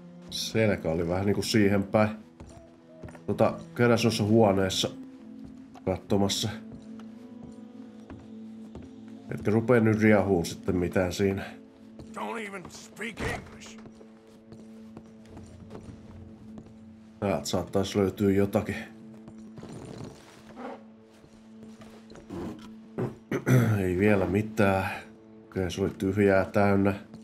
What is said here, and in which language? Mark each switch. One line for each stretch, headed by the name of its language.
Finnish: Selkä oli vähän niinku siihen päin. Käydään noissa huoneessa katsomassa. Etkä rupee nyt riahuun sitten mitään siinä.
English: Don't even speak English.
Finnish: Täältä saattais löytyy jotakin. Ei vielä mitään. Okei, se oli tyhjää täynnä.